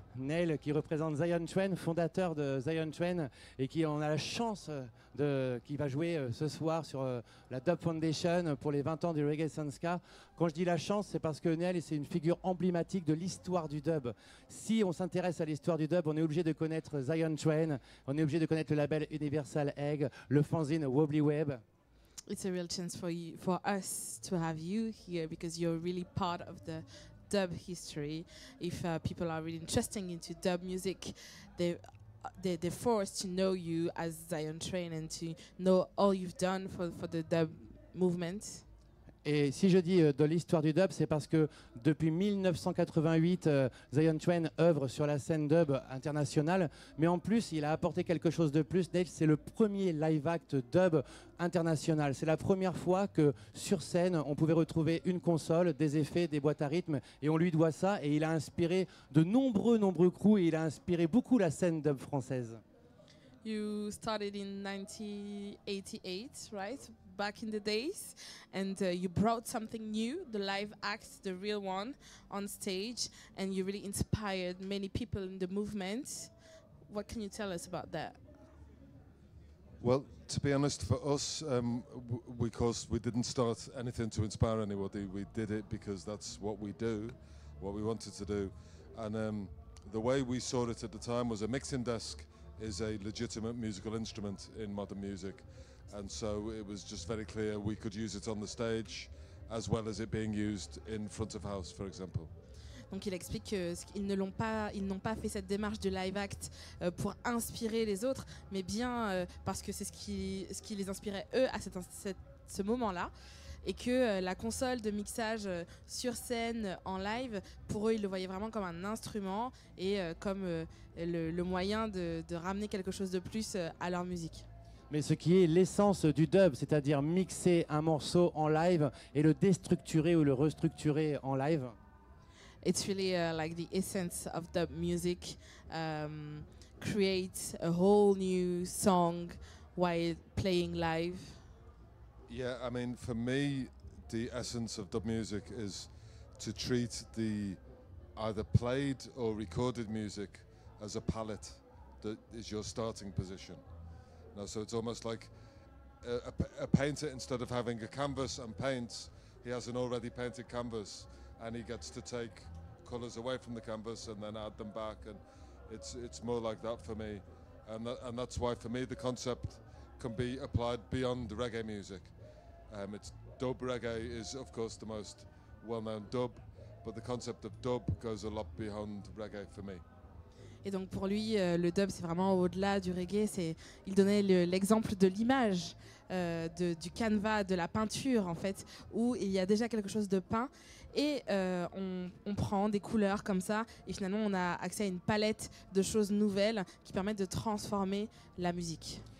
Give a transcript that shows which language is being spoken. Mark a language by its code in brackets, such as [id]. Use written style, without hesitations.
[fr] Neil qui représente Zion Chuen, fondateur de Zion Chuen, et qui on a la chance de qui va jouer ce soir sur la Dub Foundation pour les 20 ans du Reggae Sun Ska. Quand je dis la chance, c'est parce que Neil, c'est une figure emblématique de l'histoire du dub. Si on s'intéresse à l'histoire du dub, on est obligé de connaître Zion Chuen, on est obligé de connaître le label Universal Egg, le fanzine Wobbly Web. [en] It's a real chance for you, for us to have you here because you're really part of the dub history. If people are really interested into dub music, they're forced to know you as Zion Chuen and to know all you've done for the dub movement. [fr] Et si je dis de l'histoire du dub, c'est parce que depuis 1988, Zion Chuen œuvre sur la scène dub internationale. Mais en plus, il a apporté quelque chose de plus. Dave, c'est le premier live act dub international. C'est la première fois que sur scène, on pouvait retrouver une console, des effets, des boîtes à rythme. Et on lui doit ça. Et il a inspiré de nombreux crews. Et il a inspiré beaucoup la scène dub française. [en] You started in 1988, right? Back in the days, and you brought something new, the live act, the real one, on stage, and you really inspired many people in the movement. What can you tell us about that? Well, to be honest, for us, because we didn't start anything to inspire anybody, we did it because that's what we do, what we wanted to do. And the way we saw it at the time was a mixing desk is a legitimate musical instrument in modern music. And so it was just very clear we could use it on the stage as well as it being used in front of house, for example. [fr] Donc il explique qu'ils ne l'ont pas, ils n'ont pas fait cette démarche de live act pour inspirer les autres, mais bien parce que c'est ce qui les inspirait eux à ce moment-là, et que la console de mixage sur scène en live, pour eux, ils le voyaient vraiment comme un instrument et comme le moyen de ramener quelque chose de plus à leur musique. Mais ce qui est l'essence du dub, c'est-à-dire mixer un morceau en live et le déstructurer ou le restructurer en live. [en] It's really like the essence of dub music, create a whole new song while playing live. Yeah, I mean, for me, the essence of dub music is to treat the either played or recorded music as a palette that is your starting position. Now, so it's almost like a painter, instead of having a canvas and paints, he has an already painted canvas and he gets to take colors away from the canvas and then add them back. And it's more like that for me. And that's why for me, the concept can be applied beyond reggae music. It's dub reggae is of course the most well-known dub, but the concept of dub goes a lot beyond reggae for me. [fr] Et donc pour lui, le dub, c'est vraiment au-delà du reggae. C'est, il donnait l'exemple de l'image, du canevas, de la peinture, en fait, où il y a déjà quelque chose de peint. Et on prend des couleurs comme ça, et finalement, on a accès à une palette de choses nouvelles qui permettent de transformer la musique.